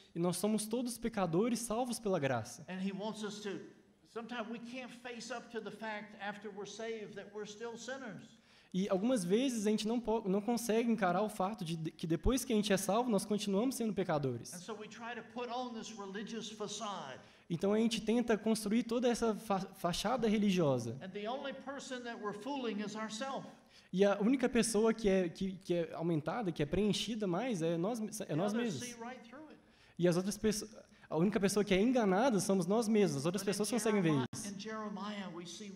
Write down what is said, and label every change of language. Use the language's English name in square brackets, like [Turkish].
[Portuguese] E nós somos todos pecadores salvos pela graça. E Ele quer nos... [English] Sometimes we can't face up to the fact after we're saved that we're still sinners. [Portuguese] E algumas vezes a gente não consegue encarar o fato de que depois que a gente é salvo, nós continuamos sendo pecadores. [English] And so we try to put on this religious facade. [Portuguese] Então a gente tenta construir toda essa fachada religiosa. [English] And the only person that we're fooling is ourselves. [Portuguese] E a única pessoa que é aumentada, que é preenchida mais, é nós mesmos. [English] Right, [Portuguese] e as outras pessoas... A única pessoa que é enganada somos nós mesmos. As outras pessoas conseguem ver isso.